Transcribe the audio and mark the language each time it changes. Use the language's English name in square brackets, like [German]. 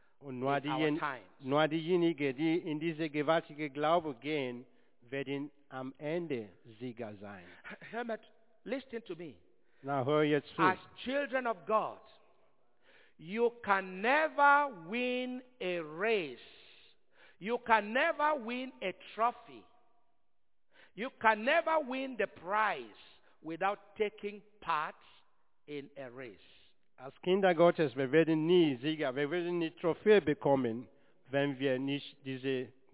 [German] nur diejenigen, die in diese gewaltige Glaube gehen, werden am Ende Sieger sein. [English] Hermit, listen to me. [German] Now hör jetzt zu. [English] As children of God, you can never win a race. You can never win a trophy. You can never win the prize without taking part in a race. [German] Als Kinder Gottes, wir werden nie Sieger, wir werden nie Trophäe bekommen, wenn wir nicht diese